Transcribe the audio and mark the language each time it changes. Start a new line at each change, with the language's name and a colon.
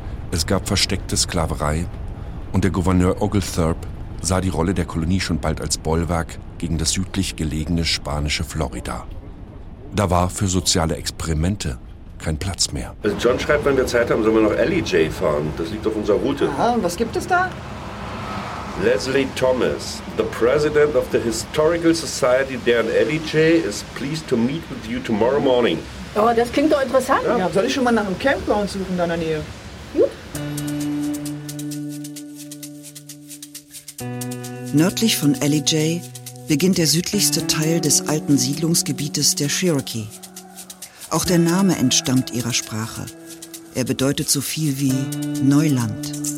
German: Es gab versteckte Sklaverei und der Gouverneur Oglethorpe sah die Rolle der Kolonie schon bald als Bollwerk gegen das südlich gelegene spanische Florida. Da war für soziale Experimente kein Platz mehr. Also John schreibt, wenn wir Zeit haben, sollen wir noch Ellie J fahren. Das liegt auf unserer Route. Aha, und was gibt es da?
English: Leslie Thomas, the president of the Historical Society there in Ellie J, is pleased to meet with you tomorrow morning.
German: Oh, das klingt doch interessant. Ja, soll ich schon mal nach einem Campground suchen da in der Nähe? Nördlich von Ellie J beginnt der südlichste Teil des alten Siedlungsgebietes der Cherokee. Auch der Name entstammt ihrer Sprache. Er bedeutet so viel wie Neuland.